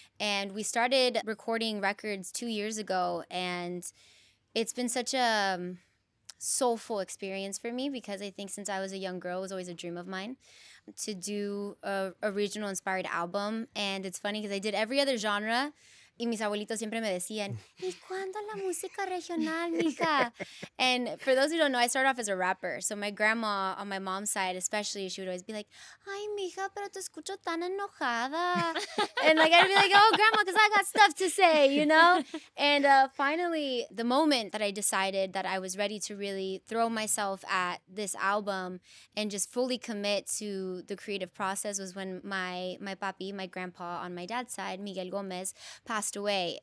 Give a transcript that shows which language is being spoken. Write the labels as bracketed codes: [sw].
[en] And we started recording records 2 years ago. And it's been such a soulful experience for me because I think since I was a young girl, it was always a dream of mine to do a regional-inspired album. And it's funny because I did every other genre. [es] Y mis abuelitos siempre me decían, ¿y cuándo la música regional, mija? [en] And for those who don't know, I started off as a rapper. So my grandma, on my mom's side especially, she would always be like, [es] ay, mija, pero te escucho tan enojada. [en] And like, I'd be like, oh, grandma, because I got stuff to say, you know? And finally, the moment that I decided that I was ready to really throw myself at this album and just fully commit to the creative process was when my papi, my grandpa on my dad's side, Miguel Gomez, passed away.